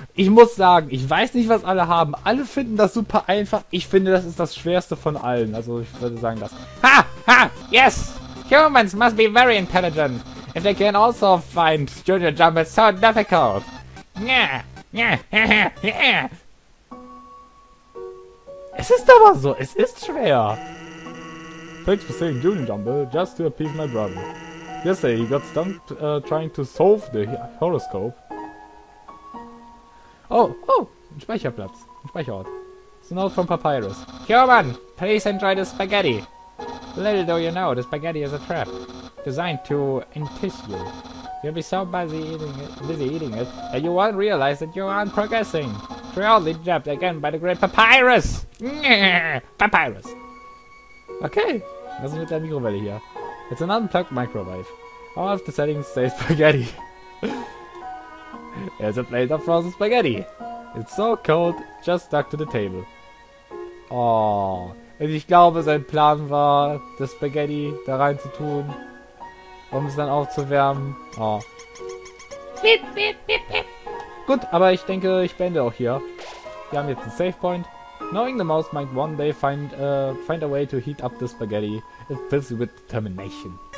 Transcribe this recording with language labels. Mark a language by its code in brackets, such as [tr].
[de] Ich muss sagen, ich weiß nicht, was alle haben. Alle finden das super einfach. Ich finde, das ist das Schwerste von allen. Also, ich würde sagen, das... [en] Ha! Yes! Humans must be very intelligent. If they can also find Junior Jumble so difficult. [de] Es ist aber so. Es ist schwer. [en] Thanks for saying Junior Jumble just to appease my brother. Yesterday, he got stumped trying to solve the horoscope. [de] Oh, ein Speicherplatz, ein Speicherort. [en] It's a note from Papyrus. Human, please enjoy the spaghetti. Little do you know, the spaghetti is a trap. Designed to entice you. You'll be so busy eating it, that you won't realize that you aren't progressing. Cruelly jabbed again by the great Papyrus! Papyrus! [de] Okay, was ist mit der Mikrowelle hier? [en] It's an unplugged microwave. All of the settings say spaghetti. There's a plate of frozen spaghetti. It's so cold, just stuck to the table. [de] Oh, und ich glaube, sein Plan war, das Spaghetti da rein zu tun, um es dann aufzuwärmen. Oh. Beep, beep, beep, beep. Gut, aber ich denke, ich beende auch hier. Wir haben jetzt einen Save Point. [en] Knowing the mouse might one day find a way to heat up the spaghetti, it fills you with determination.